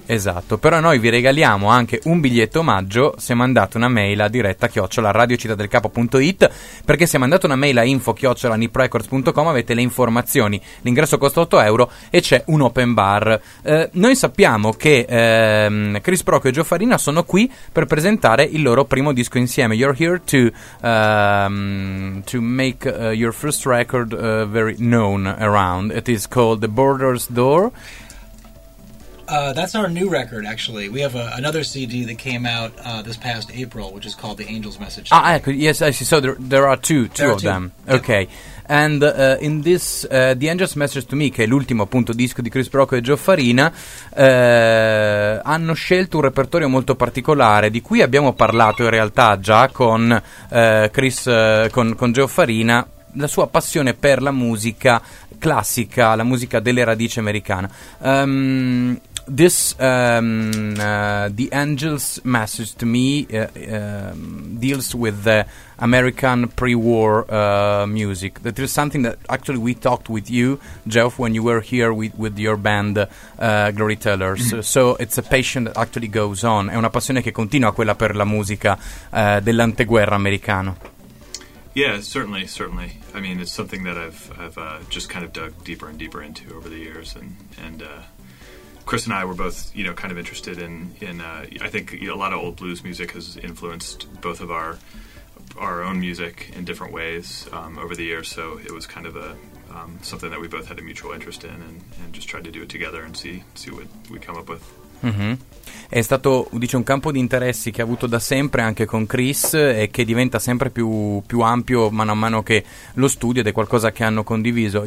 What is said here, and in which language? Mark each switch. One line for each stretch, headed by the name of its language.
Italian: Esatto, però noi vi regaliamo anche un biglietto omaggio se mandate una mail a diretta@radiocittadelcapo.it, perché se mandate una mail a info@niprecords.com avete le informazioni. L'ingresso costa 8 euro e c'è un open bar. Noi sappiamo che Chris Procchio e Gio Farina sono qui per presentare il loro primo disco insieme.
English: You're here to make your first record very known around. It is called The Border's Door. That's our new record, actually. We have another CD that came out this past April, which is called The Angel's Message. Ah, yes, I see. So there are two of them. Yeah. Okay. And in this,
Italian: The Angel's Message to Me, che è l'ultimo appunto disco di Chris Brocco e Gio Farina, hanno scelto un repertorio molto particolare, di cui abbiamo parlato in realtà già con Chris, con Gio Farina, la sua passione per la musica classica, la musica delle radici americane.
English: The Angel's Message to Me deals with the American pre-war music. That is something that actually we talked with you, Jeff, when you were here with your band Glory Tellers. So it's a passion that actually goes on.
Italian: È una passione che continua, quella per la musica dell'anteguerra americano.
English: Yeah, certainly. I mean, it's something that I've just kind of dug deeper and deeper into over the years, and Chris and I were both, you know, kind of interested in I think, you know, a lot of old blues music has influenced both of our own music in different ways over the years, so it was kind of something that we both had a mutual interest in and just tried to do it together and see what we come up with. Mm-hmm.
Italian: È stato, dice, un campo di interessi che ha avuto da sempre anche con Chris e che diventa sempre più ampio mano a mano che lo studio, ed è qualcosa che hanno condiviso.